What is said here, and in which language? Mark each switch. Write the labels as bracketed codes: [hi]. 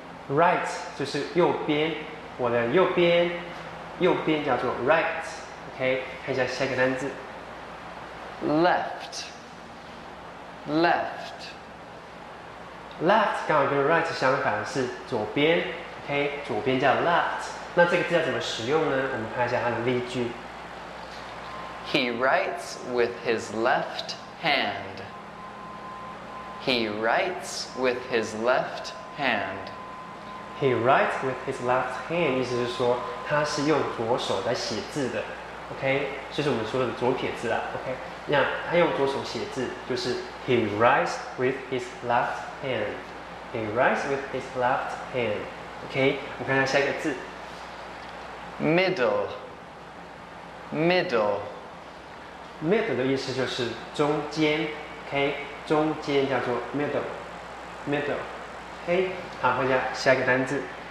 [zh] right 就是右边，我的右边，右边叫做 right， OK。看一下下一个单字 [en] left， left， [zh] left 刚好跟 right 相反，是左边， OK， 左边叫 left。那这个字要怎么使用呢？我们看一下它的例句。 [en] He writes with his left hand. He writes with his left hand. He writes with his left hand [zh] 意思是说他是用左手在写字的。 OK， 就是我们说的左撇子啊。 OK， 那他用左手写字，就是 [en] he writes with his left hand. He writes with his left hand. [zh] OK， 我们看看下一个字。 [en] Middle. Middle. [zh] Middle 的意思就是中间 ，OK， 中间叫做 middle，middle， OK， 好，看一下下一个单字